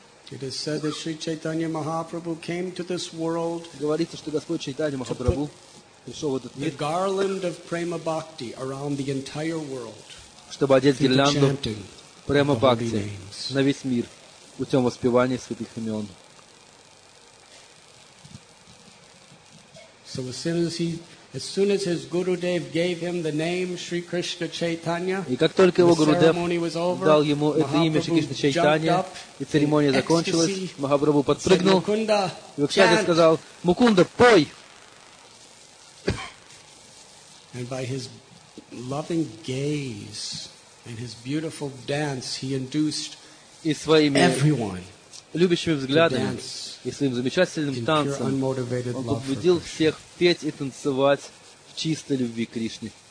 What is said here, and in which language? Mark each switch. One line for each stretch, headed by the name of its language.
English: It is said that Sri Chaitanya Mahaprabhu came to this world.
Russian: Говорится, что Господь Чайтанья Махапрабху пришел в этот мир.
English: The garland of prema bhakti around the entire world.
Russian: Чтобы одеть гирлянду према бхакти на весь мир путем воспевания святых имен.
English: So as soon as his Gurudev gave him the name Sri Krishna Chaitanya,
Russian: и как только его Гурудев дал ему это имя Шри Кришна Чайтанья, и церемония закончилась, Махапрабху подпрыгнул и в экстазе сказал: «Мукунда, пой!»
English: And by his loving gaze and his beautiful dance, he induced everyone.
Russian: Любящими взглядами и своим замечательным танцем он побудил всех петь и танцевать в чистой любви к Кришне.